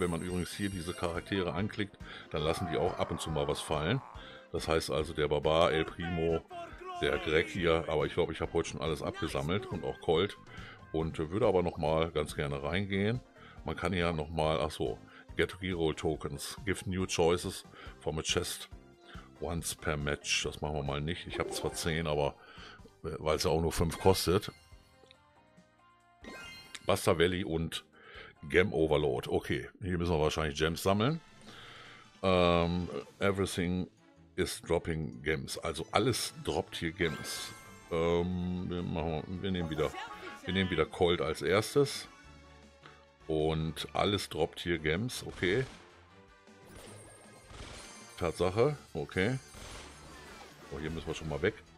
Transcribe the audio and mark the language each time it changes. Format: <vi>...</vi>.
<de>Wenn man übrigens hier diese Charaktere anklickt, dann lassen die auch ab und zu mal was fallen. Das heißt also der Barbar, El Primo, der Greg hier. Aber ich glaube, ich habe heute schon alles abgesammelt und auch Colt. Und würde aber noch mal ganz gerne reingehen. Man kann ja noch mal, ach so, Get Reroll Tokens.</de> <en>Give new choices from a chest once per match.</en> <de>Das machen wir mal nicht. Ich habe zwar 10, aber weil es ja auch nur 5 kostet. Buster Valley und Gem Overload. Okay, hier müssen wir wahrscheinlich Gems sammeln.</de> <en>Everything is dropping Gems.</en> <de>Also alles droppt hier Gems. Wir nehmen wieder Colt als erstes. Und alles droppt hier Gems. Okay. Tatsache. Okay. Oh, hier müssen wir schon mal weg.</de>